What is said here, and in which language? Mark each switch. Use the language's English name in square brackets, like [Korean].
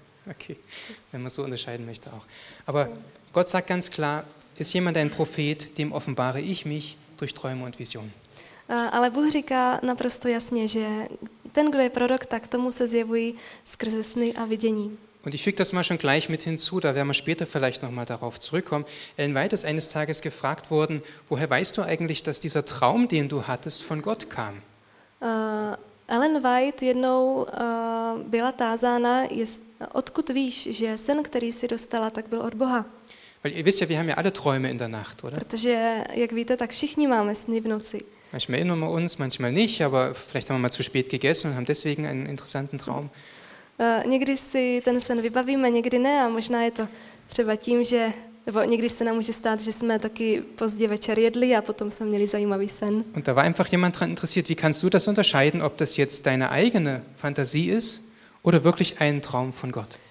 [German] Okay, wenn man so unterscheiden möchte auch. Aber okay. Gott sagt ganz klar, ist jemand ein Prophet, dem offenbare ich mich durch Träume und Visionen. [Czech] Ale Bůh říká naprosto jasně, že ten, kdo je prorok, tak tomu se zjevují skrze sny a vidění. [German] Und ich füge das mal schon gleich mit hinzu, da werden wir später vielleicht nochmal darauf zurückkommen. Ellen White ist eines Tages gefragt worden, woher weißt du eigentlich, dass dieser Traum, den du hattest, von Gott kam? [Czech] Ellen White jednou byla tázána, odkud víš, že sen, který si dostala, tak byl od Boha. [German] Weil ihr wisst ja, wir haben ja alle Träume in der Nacht, oder? [Czech] Protože, jak víte, tak všichni máme sny v noci. [German] Manchmal erinnern wir uns, manchmal nicht, aber vielleicht haben wir mal zu spät gegessen und haben deswegen einen interessanten Traum. [Czech] Někdy si ten sen vybavíme, někdy ne, a možná je to třeba tím, že nebo někdy se nám může stát, že jsme taky pozdě večer jedli a potom jsme měli zajímavý sen. [German] Und da war einfach jemand dran interessiert, wie kannst du das unterscheiden, ob das jetzt deine eigene Fantasie ist oder wirklich ein Traum von Gott?